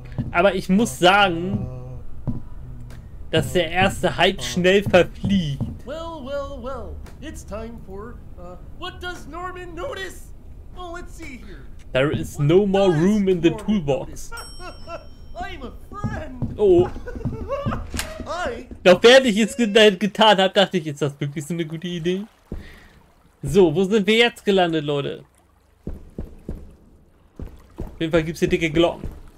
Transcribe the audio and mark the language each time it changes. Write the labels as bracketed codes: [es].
[de] Aber ich muss sagen, dass der erste Hype schnell verfliegt. [en] Well, it's time for, what does Norman notice? Oh, let's see here. There is what no more room in the Norman toolbox. I'm a friend. Oh. Hi. [de] Doch während ich es getan habe, dachte ich, ist das wirklich so eine gute Idee? So, wo sind wir jetzt gelandet, Leute? Auf jeden Fall gibt's hier dicke Glocken.